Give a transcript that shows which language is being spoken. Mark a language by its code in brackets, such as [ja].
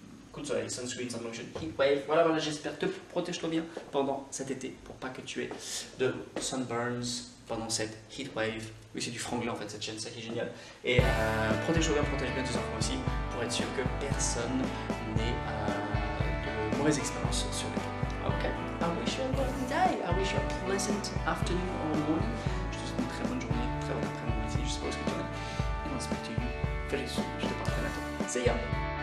[fr] Écoute, soleil, sunscreen, sun lotion, heat wave. Voilà, voilà, j'espère te protège-toi bien pendant cet été pour pas que tu aies de sunburns pendant cette heat wave. Oui, c'est du franglais en fait cette chaîne, ça qui est génial. Et protège-toi bien, protège bien tes enfants aussi pour être sûr que personne n'ait de mauvaises expériences sur les temps. Ok. [en] I wish you a lovely day. I wish you a pleasant afternoon or morning. [fr] Je te souhaite une très bonne journée, très bonne après-midi. Je sais pas où est-ce que tu en es. Et on se met à you. [en] Very soon. [fr] Je te parle très bientôt. [en] See ya.